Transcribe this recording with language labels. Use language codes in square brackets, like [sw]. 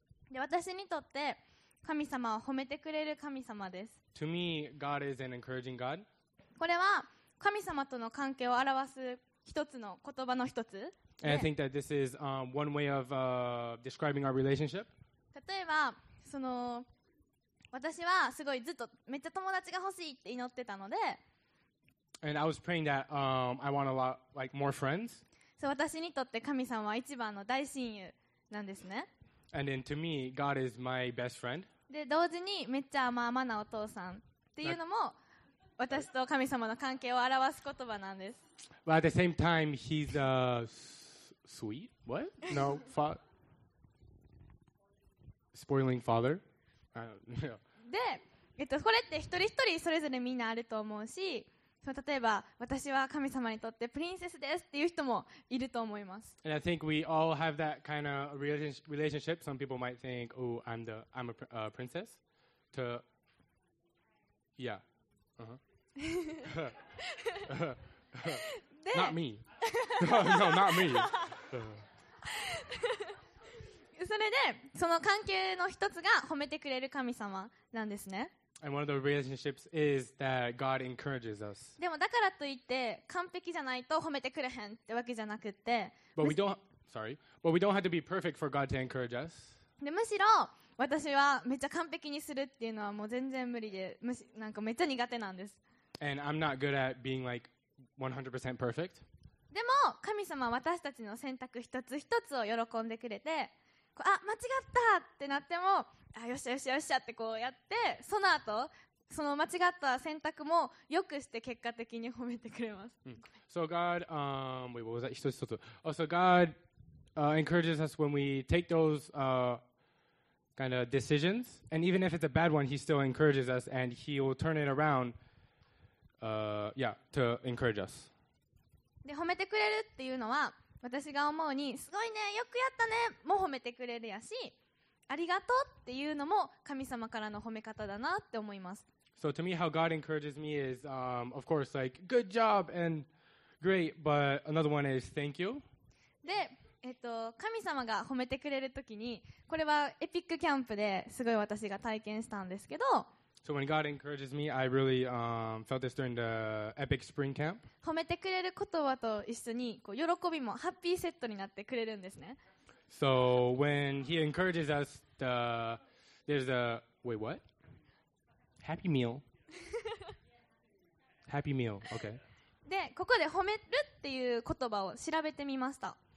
[ja] で、私にとって神様は褒めてくれる神様です。 [en] To me, God is an encouraging God. [ja] これは神様との関係を表す一つの言葉の一つ。 [en] And I think that this is one way of describing our relationship. [ja] 例えば、その私はすごいずっとめっちゃ友達が欲しいって祈ってたので。 [en] And I was praying that I want a lot like more friends. [ja] そう、私にとって神様は一番の大親友なんですね。 [en] And then to me, God is my best friend. [ja] で、同時にめっちゃ甘々なお父さんっていうのも。私と神様の関係を表す言葉なんです。 [en] But at the same time, he's a sweet what? No, spoiling father. [ja] で、これって一人一人それぞれみんなあると思うし、そう、例えば私は神様にとってプリンセスですっていう人もいると思います。 [en] And I think we all have that kind of relationship. Some people might think, "Oh, I'm a princess." To yeah. Uh-huh. not me. no, not me. [ja] それで、その関係の一つが褒めてくれる神様なんですね。 [en] And one of the relationships is that God encourages us. [ja] でもだからといって完璧じゃないと褒めてくれへんってわけじゃなくて。 [en] But we don't. Sorry. But we don't have to be perfect for God to encourage us. [ja] でむしろ。私はめっちゃ完璧にするっていうのはもう全然無理で、なんかめっちゃ苦手なんです。 And I'm not good at being like 100% perfect. でも神様は私たちの選択一つ一つを喜んでくれて、あ、間違ったってなっても、あ、よっしゃよっしゃよっしゃってこうやって、その後その間違った選択も良くして結果的に褒めてくれます。 Mm. [en] So God, wait, what was that? [ja] 一つ一つ。 [en] Oh, so God encourages us when we take those kind of decisions, and even if it's a bad one, he still encourages us, and he will turn it around, to encourage us. [ja] で褒めてくれるっていうのは私が思うにすごいねよくやったねも褒めてくれるやしありがとうっていうのも神様からの褒め方だなって思います。 [en] So to me how God encourages me is of course like good job and great but another one is thank you. [ja] で神様が褒めてくれるときにこれはエピックキャンプですごい私が体験したんですけど [en] So when God encourages me, I really felt this during the epic spring camp. [ja] 褒めてくれる言葉と一緒にこう喜びもハッピーセットになってくれるんですね。 [en] So when he encourages us, the, there's a wait what? Happy meal. Happy meal. Okay. [ja] で、ここで褒めるっていう言葉を調べてみました。